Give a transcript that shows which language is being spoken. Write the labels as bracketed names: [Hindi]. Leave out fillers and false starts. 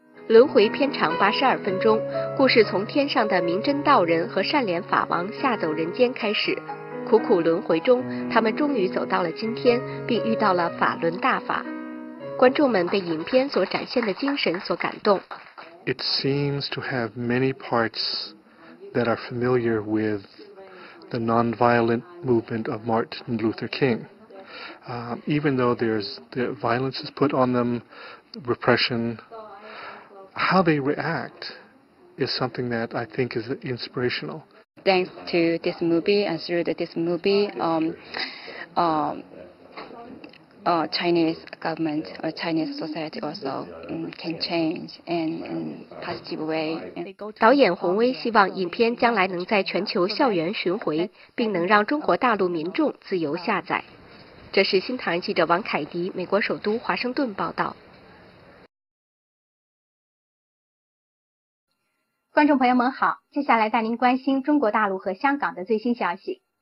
[Chinese] 轮回片长82分钟，故事从天上的明真道人和善莲法王下走人间开始，苦苦轮回中，他们终于走到了今天，并遇到了法轮大法。观众们被影片所展现的精神所感动。 [English] It seems to have many parts that are familiar with the nonviolent movement of Martin Luther King. Even though the violence is put on them, repression, how they react is something that I think is inspirational. Thanks to this movie and through this movie, Chinese government or Chinese society also can change in positive way. [Chinese] 导演洪威希望影片将来能在全球校园巡回，并能让中国大陆民众自由下载。这是新唐人记者王凯迪，美国首都华盛顿报道。观众朋友们好，接下来带您关心中国大陆和香港的最新消息。